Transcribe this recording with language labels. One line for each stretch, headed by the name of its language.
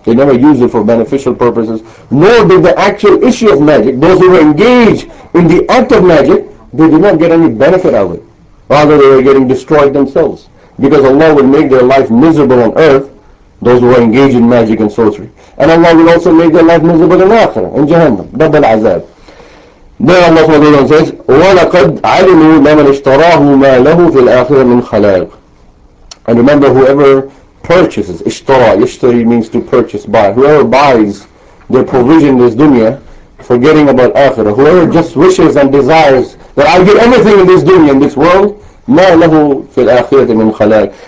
English: They never used it for beneficial purposes, nor did the actual issue of magic, those who were engaged in the act of magic, they did not get any benefit out of it. Rather, they were getting destroyed themselves. Because Allah would make their life miserable on earth, those who were engaged in magic and sorcery. And Allah would also make their life miserable in Akhirah, in Jahannam, Dabbal Azab. Then Allah subhanahu wa ta'ala says,
Arabic: وَلَقَدْ عَلِمُوا لَمَنْ اشْتَرَاهُ مَا لَهُ فِي الْآخِرَةِ مِنْ خَلَاقٍ.
English: And remember, whoever purchases, ishtara, ishtari means to purchase, buy. Whoever buys their provision in this dunya, forgetting about akhirah, whoever just wishes and desires that I'll get anything in this dunya, in this world,
Arabic: مَا لَهُ فِي الْآخِرَةِ مِنْ خَلَاقٍ.